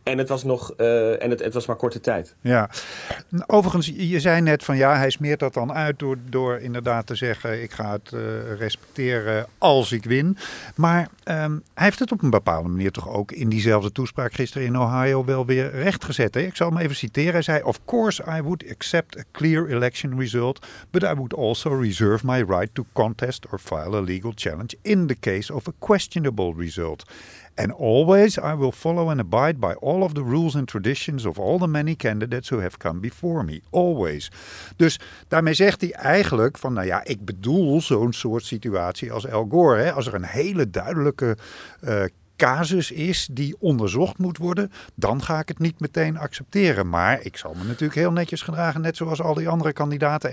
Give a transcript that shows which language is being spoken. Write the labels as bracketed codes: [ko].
[nl] En het was nog het was maar korte tijd. Ja. Overigens, je zei net van ja, hij smeert dat dan uit door inderdaad te zeggen, ik ga het respecteren als ik win. Maar hij heeft het op een bepaalde manier toch ook in diezelfde toespraak gisteren in Ohio wel weer rechtgezet. Ik zal hem even citeren. Hij zei, [en] of course I would accept a clear election result, but I would also reserve my right to contest or file a legal challenge in the case of a questionable result. And always I will follow and abide by all of the rules and traditions of all the many candidates who have come before me. Always. [nl] Dus daarmee zegt hij eigenlijk van, nou ja, ik bedoel zo'n soort situatie als Al Gore. Hè? Als er een hele duidelijke casus is die onderzocht moet worden, dan ga ik het niet meteen accepteren. Maar ik zal me natuurlijk heel netjes gedragen, net zoals al die andere kandidaten.